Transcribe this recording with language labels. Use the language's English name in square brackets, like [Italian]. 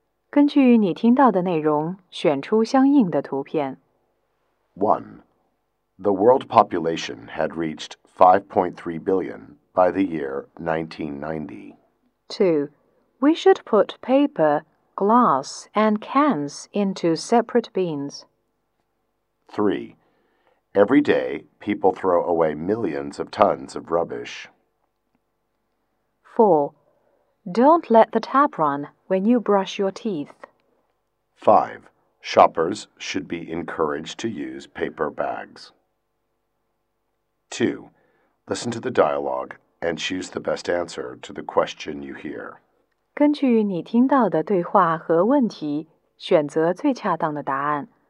[Chinese] 根据你听到的内容，选出相应的图片。 [English] 1. The world population had reached 5.3 billion by the year 1990. 2. We should put paper, glass, and cans into separate bins. 3. Every day, people throw away millions of tons of rubbish. 4. Don't let the tap run when you brush your teeth. 5. Shoppers should be encouraged to use paper bags. 2. Listen to the dialogue and choose the best answer to the question you hear. [Chinese] 根据你听到的对话和问题，选择最恰当的答案。